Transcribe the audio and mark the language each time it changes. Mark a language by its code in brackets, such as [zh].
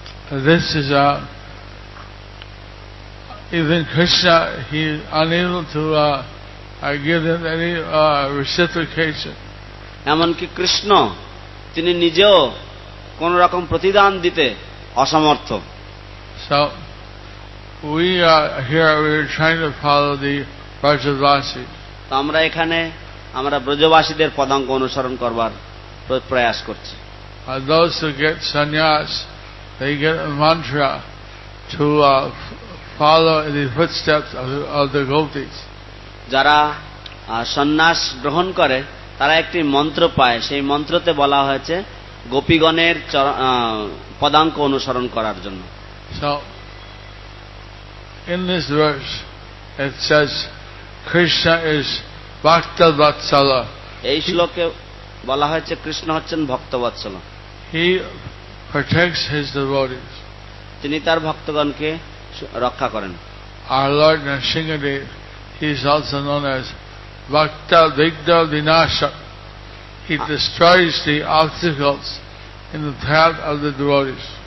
[en] this is a even Krishna, he is unable to give them any reciprocation. [bn] এমনকি কৃষ্ণ তিনি নিজেও কোন রকম প্রতিদান দিতে অসমর্থ। [en] So we are here, we are trying to follow the Brajavasi. [bn] আমরা এখানে আমরা ব্রজবাসীদের পদাঙ্ক অনুসরণ করবার প্রয়াস করছি। [en] Those who get sannyas, they get a mantra to follow in the footsteps of the gopis. [bn] যারা সন্ন্যাস গ্রহণ করে তারা একটি মন্ত্র পায়, সেই মন্ত্রতে বলা হয়েছে গোপীগণের পদাঙ্ক অনুসরণ করার জন্য। [en] So in this verse it says Krishna is bhakta vatsala. [bn] এই শ্লোকে বলা হয়েছে কৃষ্ণ হচ্ছেন ভক্ত বৎসল। [en] He protects his devotees. [bn] তিনি তার ভক্তগণকে রক্ষা করেন। [en] Our Lord Narsingadev, he is also known as Bhakta Vigda Vinashak. He destroys the obstacles in the path of the devotees.